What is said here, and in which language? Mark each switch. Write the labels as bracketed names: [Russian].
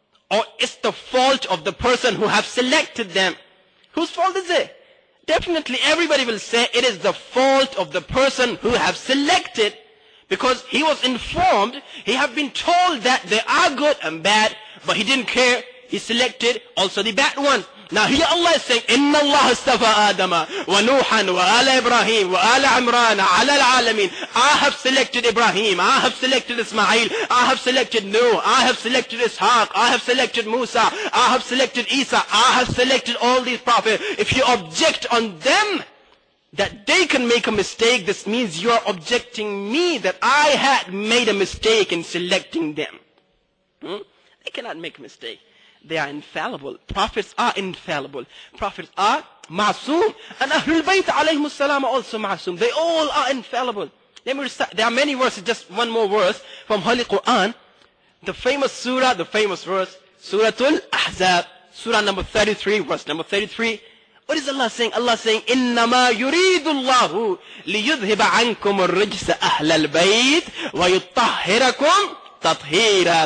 [English] Or is the fault of the person who have selected them? Whose fault is it? Definitely, everybody will say it is the fault of the person who have selected, because he was informed, he have been told that they are good and bad, but he didn't care. He selected also the bad ones. Now here Allah is saying, [Arabic] إِنَّ اللَّهَ اصْطَفَى آدَمَ وَنُوحًا وَآلَ إِبْرَاهِيمَ وَآلَ عِمْرَانَ عَلَى الْعَالَمِينَ. [English] I have selected Ibrahim, I have selected Ismail, I have selected Nuh, I have selected Ishaq, I have selected Musa, I have selected Isa, I have selected all these prophets. If you object on them that they can make a mistake, this means you are objecting me that I had made a mistake in selecting them. They cannot make a mistake. They are infallible. Prophets are infallible. Prophets are ma'soom. And Ahlul Bayt alayhimus salam are also ma'soom. They all are infallible. Let me recite. There are many verses. Just one more verse from Holy Quran. The famous surah, the famous verse. Suratul Ahzab. Surah number 33, verse number 33. What is Allah saying? Allah is saying, [Arabic] إِنَّمَا يُرِيدُ اللَّهُ لِيُذْهِبَ عَنْكُمُ الرِّجْسَ أَهْلَ الْبَيْتِ وَيُطَّهِّرَكُمْ تطهيرا.